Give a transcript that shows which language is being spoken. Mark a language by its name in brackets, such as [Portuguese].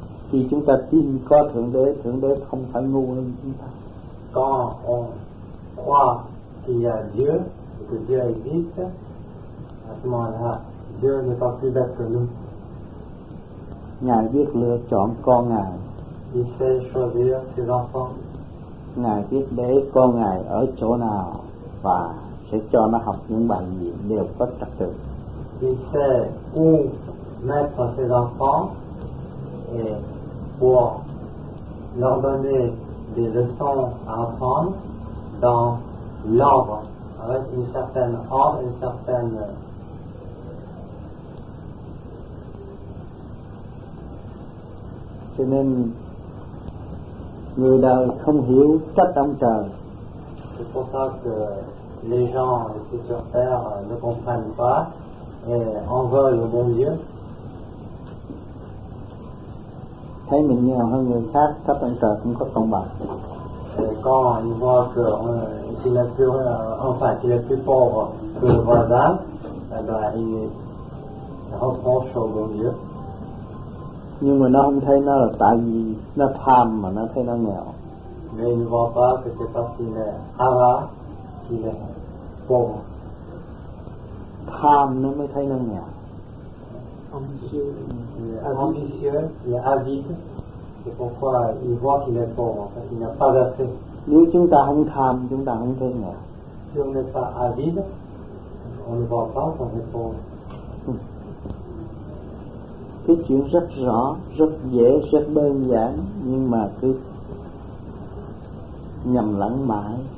[Vietnamese] thì chúng ta tin có Thượng Đế, Thượng Đế không phải ngu hơn chúng ta. [French] Quand on croit qu'il y a Dieu et que Dieu existe, à ce moment-là, Dieu n'est pas plus bête que nous. [Vietnamese] Ngài biết lựa chọn con Ngài. [French] Il sait choisir ses enfants. [Vietnamese] Ngài biết bé con Ngài ở chỗ nào và sẽ cho nó học những bài gì đều có trật tự. [French] Il sait où mettre ses enfants et pour leur donner des leçons à apprendre dans l'ordre, avec une certaine ordre, une certaine [Vietnamese] cho nên người đời không hiểu cách ông trời. [French] C'est pour ça que les gens ici sur terre ne comprennent pas et en veulent au bon Dieu. [Vietnamese] Thấy mình nghèo hơn người khác, cách ông trời cũng có công bằng. [French] Quand ils voient que qu'il est plus enfin qu'il est plus pauvre que le voisin, eh ben ils reprochent au bon Dieu. [Vietnamese] Nhưng mà nó không thấy nó là tại vì nó tham mà nó thấy nó nghèo. [French] Mais il ne voit pas que c'est parce qu'il est avare qu'il est pauvre. [Vietnamese] Tham nó mới thấy nó nghèo. [French] Ambitieux, il est avide. C'est pourquoi il voit qu'il est pauvre, parce qu'il n'a pas assez. [Vietnamese] Nếu chúng ta không tham, chúng ta không thấy nghèo. [French] Si on n'est pas avide, on ne voit pas qu'on est pauvre. [Vietnamese] Cái chuyện rất rõ, rất dễ, rất đơn giản, nhưng mà cứ nhầm lẫn mãi.